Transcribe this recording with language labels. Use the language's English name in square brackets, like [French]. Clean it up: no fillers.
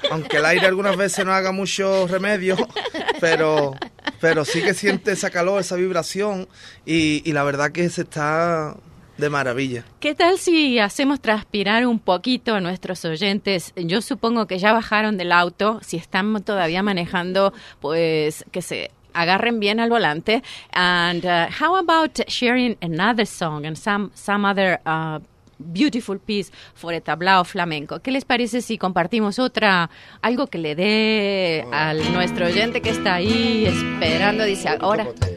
[Spanish] Aunque el aire algunas veces no haga mucho remedio, pero sí que siente esa calor, esa vibración, y la verdad que se está... De maravilla. ¿Qué tal si hacemos transpirar un poquito a nuestros oyentes? Yo supongo que ya bajaron del auto, si están todavía manejando, pues que se agarren bien al volante. [English] And how about sharing another song and some other beautiful piece for a tablao flamenco? [Spanish] ¿Qué les parece si compartimos otra, algo que le dé a nuestro oyente que está ahí esperando, dice, ahora?